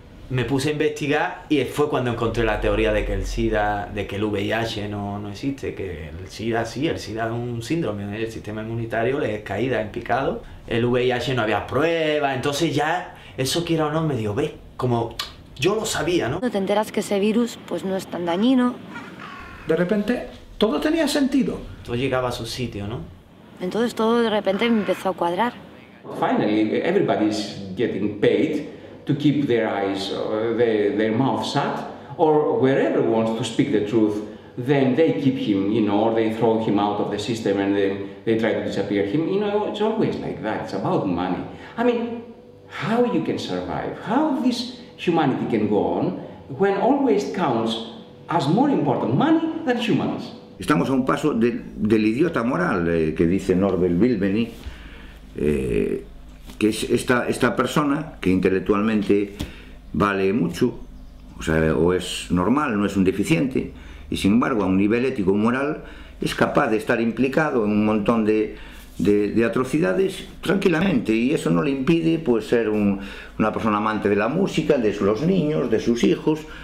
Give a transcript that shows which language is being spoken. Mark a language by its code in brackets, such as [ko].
[es] Me puse a investigar y fue cuando encontré la teoría de que el SIDA, de que el VIH no existe, que el SIDA sí, el SIDA es un síndrome, el sistema inmunitario le es caída en picado, el VIH no había pruebas, entonces ya, eso quiera o no, me dio, ves, como yo lo sabía, ¿no? Te enteras que ese virus pues no es tan dañino. De repente, todo tenía sentido. Todo llegaba a su sitio, ¿no? Entonces todo de repente me empezó a cuadrar. [en] Finally, everybody's getting paid to keep their eyes, their mouth shut, or wherever wants to speak the truth, then they keep him, you know, or they throw him out of the system and then they try to disappear him. You know, it's always like that. It's about money. I mean, how you can survive? How this humanity can go on when always counts as more important money than humans? [es] Estamos a un paso del idiota moral que dice Norbert Wilbeny, que es esta persona que intelectualmente vale mucho, o sea, o es normal, no es un deficiente, y sin embargo a un nivel ético moral es capaz de estar implicado en un montón de atrocidades tranquilamente, y eso no le impide pues ser una persona amante de la música, de los niños, de sus hijos.